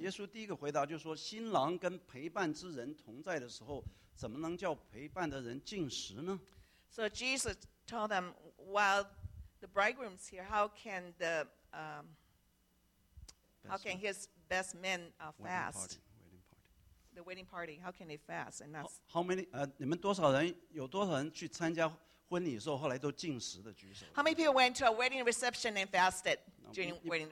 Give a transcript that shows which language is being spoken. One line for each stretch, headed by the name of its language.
Chinese: 耶稣第一个回答就是说，新郎跟陪伴之人同在的时候，怎么能叫陪伴的人进食呢？
English: So Jesus told them, while the bridegroom's here, how can the how can his best men fast? The wedding party. How can they fast and not? How many?
Chinese: 你们多少人？有多少人去参加婚礼的时候后来都进食的？举手。
English: How many people went to a wedding reception and fasted during wedding reception?